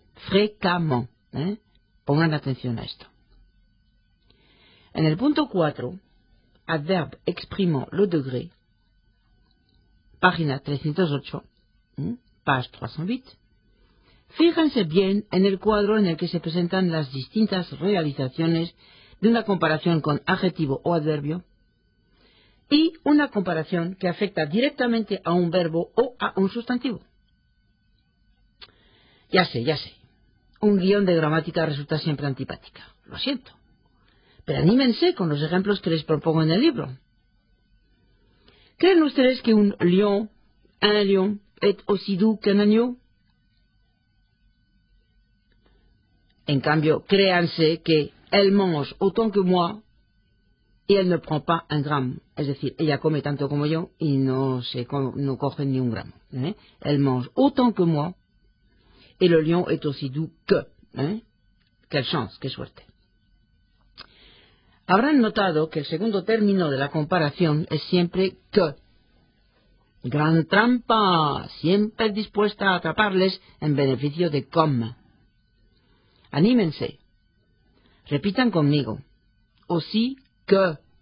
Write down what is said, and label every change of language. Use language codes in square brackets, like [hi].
[fr] Fréquemment, [es] Pongan atención a esto. En el punto 4, [fr] adverbe exprimant le degré, [es] página 308, [fr] page 308, [es] fíjense bien en el cuadro en el que se presentan las distintas realizaciones de una comparación con adjetivo o adverbio y una comparación que afecta directamente a un verbo o a un sustantivo. Ya sé. Un guión de gramática resulta siempre antipática. Lo siento. Pero anímense con los ejemplos que les propongo en el libro. ¿Creen ustedes que [fr] un lion, un lion, est aussi doux qu'un agneau? [es] En cambio, créanse que [fr] elle mange autant que moi et elle ne prend pas un gramme. [es] Es decir, ella come tanto como yo y no coge ni un gramo. [fr] Elle mange autant que moi. Et le lion est aussi doux que. Quelle chance, [es] qué suerte. Habrán notado que el segundo término de la comparación es siempre que. Gran trampa, siempre dispuesta a atraparles en beneficio de comme. Anímense. Repitan conmigo. Aussi que.